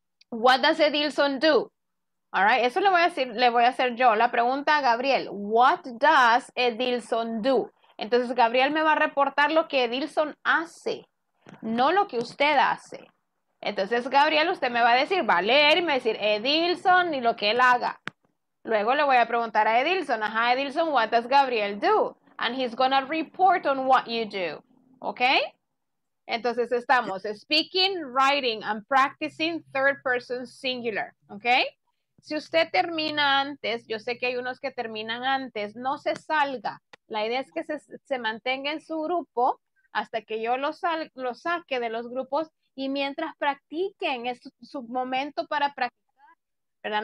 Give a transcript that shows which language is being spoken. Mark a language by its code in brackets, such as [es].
[en] What does Edilson do? All right, [es] eso le voy a decir, le voy a hacer yo. La pregunta a Gabriel, [en] what does Edilson do? [es] Entonces Gabriel me va a reportar lo que Edilson hace, no lo que usted hace. Entonces Gabriel, usted me va a decir, va a leer y me va a decir Edilson y lo que él haga. Luego le voy a preguntar a Edilson, ajá, Edilson, [en] what does Gabriel do? And he's gonna report on what you do, okay? [es] Entonces estamos [en] speaking, writing, and practicing third person singular, okay? [es] Si usted termina antes, yo sé que hay unos que terminan antes, no se salga. La idea es que se mantenga en su grupo hasta que yo lo saque de los grupos y mientras practiquen, es su momento para practicar. ¿Verdad?